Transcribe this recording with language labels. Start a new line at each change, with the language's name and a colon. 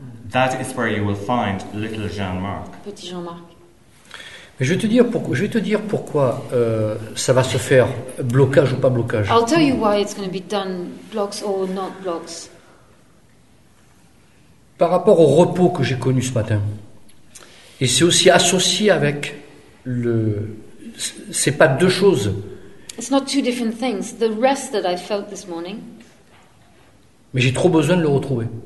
English: That is where you will find little Jean-Marc.
French: Petit Jean-Marc. Mais je vais te dire pourquoi ça va se faire, blocage ou pas blocage.
English: I'll tell you why it's going to be done, blocks or not blocks.
French: Par rapport au repos que j'ai connu ce matin. Et c'est aussi associé avec le... C'est pas deux choses.
English: It's not two different things. The rest that I felt this morning.
French: Mais j'ai trop besoin de le retrouver.